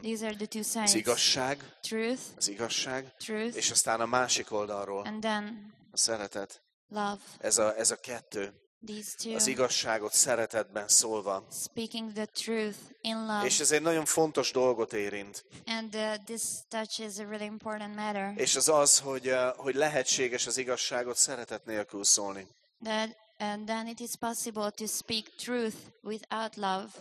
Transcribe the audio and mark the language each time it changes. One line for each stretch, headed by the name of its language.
English: These are the two sides.
Hungarian: Az igazság,
English: truth,
Hungarian: az igazság,
English: truth,
Hungarian: és aztán a másik oldalról,
English: and then
Hungarian: a szeretet.
English: Love.
Hungarian: Ez a kettő. Az igazságot szeretetben szólva.
English: Speaking the truth in love.
Hungarian: És ez egy nagyon fontos dolgot érint.
English: And this touch is a really important matter.
Hungarian: És az az, hogy lehetséges az igazságot szeretet nélkül szólni.
English: And then it is possible to speak truth without love.